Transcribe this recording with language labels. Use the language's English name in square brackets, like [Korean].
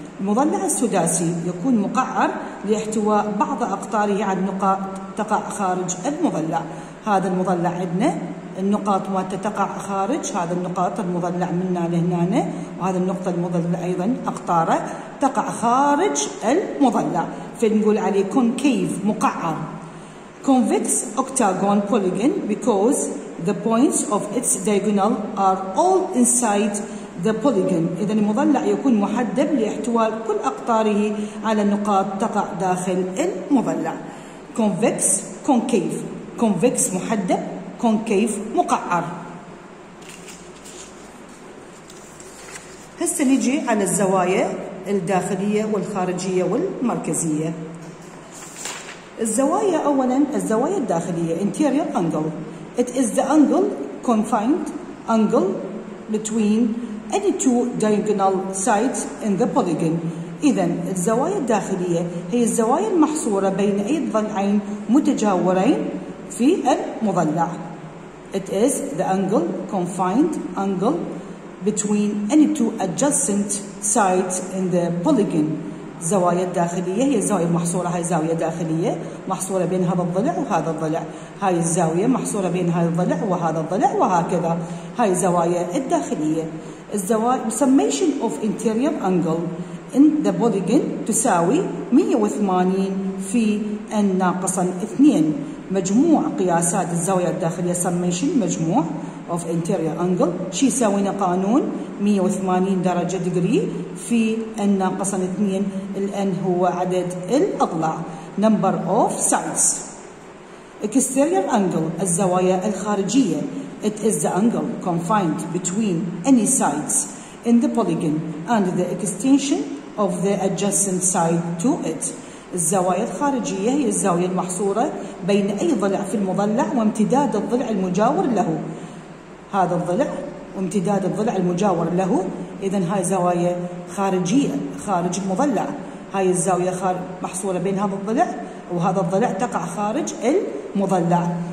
[Arabic] المضلع السداسي يكون مقعر لاحتواء بعض أقطاره على نقاط تقع خارج المضلع. هذا المضلع عندنا النقاط ما تتقع خارج، هذا النقاط المضلع منا لهنا، وهذا النقطة المضلع أيضا أقطاره تقع خارج المضلع، فنقول عليه concave مقعر. [English] Convex octagon polygon because the points of its diagonal are all inside the polygon. [Arabic] إذا المضلع يكون محدب لاحتواء كل أقطاره على النقاط تقع داخل المضلع. [English] Convex concave، convex محدب، concave مقعر. [Arabic] هسه نجي على الزوايا الداخلية والخارجية والمركزية. الزوايا أولا، الزوايا الداخلية [English] interior angle، it is the angle confined angle between any two diagonal sides in the polygon. [Arabic] إذا الزوايا الداخلية هي الزوايا المحصورة بين أي ضلعين متجاورين في المضلع. [English] It is the angle, confined angle between any two adjacent sides in the polygon. [Arabic] زوايا الداخلية هي الزاوية المحصورة، هاي زاوية داخلية محصورة بين هذا الضلع وهذا الضلع، هاي الزاوية محصورة بين هذا الضلع وهذا الضلع، وهكذا هاي زوايا الداخلية. [English] الزوايا summation of interior angle in the polygon [Arabic] تساوي 180 في n ناقصا 2. مجموع قياسات الزاوية الداخلية summation مجموع [English] of interior angle [Arabic] شي يساوينا قانون 180 درجة degree في n ناقصا 2، ال n هو عدد الأضلاع، [English] number of sides. exterior angle [Arabic] الزوايا الخارجية، [English] it is the angle confined between any sides in the polygon and the extension of the adjacent side to it. [Arabic] الزوايا الخارجية هي الزاوية المحصورة بين أي ضلع في المضلع وامتداد الضلع المجاور له، هذا الضلع وامتداد الضلع المجاور له، إذن هاي زوايا خارجية خارج المضلع، هاي الزاوية محصورة بين هذا الضلع وهذا الضلع تقع خارج المضلع.